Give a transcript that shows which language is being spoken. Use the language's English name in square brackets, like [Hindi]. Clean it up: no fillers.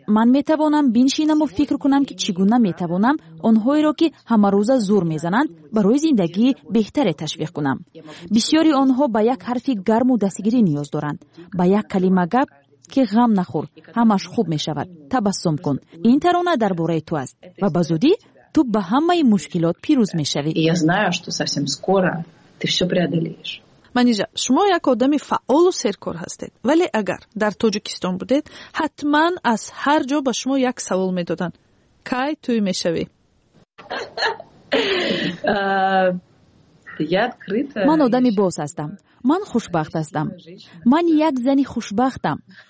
[Persian] من میتوانم بینشینم و فکر کنم که چگونه میتوانم اونهای را که همه روزه زور میزنند برای زندگی بهتر تشویق کنم. بسیاری آنها با یک حرفی گرم و دستگیری نیاز دارند. با یک کلمه گپ که غم نخور، همش خوب میشود، تبسم کن. این ترانه در باره تو است و بزودی تو به همه مشکلات پیروز میشوی. [Russian] Я знаю, что совсем скоро ты всё преодолеешь. [Persian] منیجا، شما یک آدم فعال و سرکار هستید. ولی اگر در تاجیکستان بودید، حتما از هر جا به شما یک سوال میدادن. کی توی میشوی؟ من آدم باز هستم. من خوشبخت هستم. من یک زنی خوشبختم.